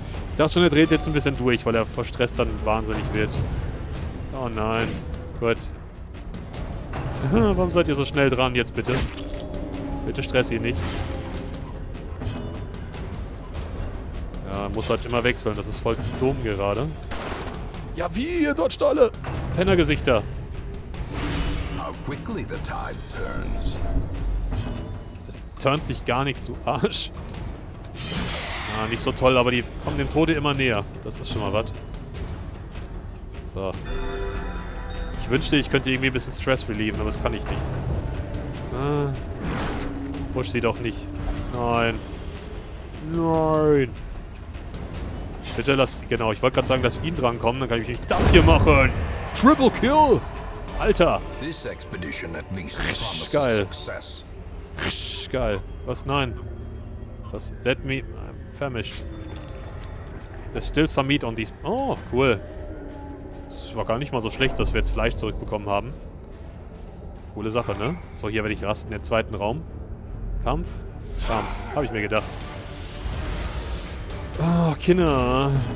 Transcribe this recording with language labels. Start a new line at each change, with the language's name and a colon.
German: Ich dachte schon, er dreht jetzt ein bisschen durch, weil er vor Stress dann wahnsinnig wird. Oh nein. Gut. Warum seid ihr so schnell dran jetzt bitte? Bitte stress ihn nicht. Ja, muss halt immer wechseln. Das ist voll dumm gerade. Ja, wie? Ihr dodgt alle! Pennergesichter.
English: How quickly the tide turns.
German: Es turnt sich gar nichts, du Arsch. Ja, nicht so toll, aber die kommen dem Tode immer näher. Das ist schon mal was. So. Ich wünschte, ich könnte irgendwie ein bisschen Stress relieven, aber das kann ich nicht. Push sie doch nicht. Nein. Nein. Bitte lass... Genau, ich wollte gerade sagen, dass ihn dran kommen, dann kann ich nicht das hier machen. Triple Kill! Alter!
English: This expedition at least promises geil. Success.
German: Risch, geil. Was? Nein. Was?
English: Let me... I'm famished. There's still some meat on these... Oh, cool.
German: Das war gar nicht mal so schlecht, dass wir jetzt Fleisch zurückbekommen haben. Coole Sache, ne? So, hier werde ich rasten, den zweiten Raum. Kampf? Kampf. Habe ich mir gedacht. Ah, oh, Kinder.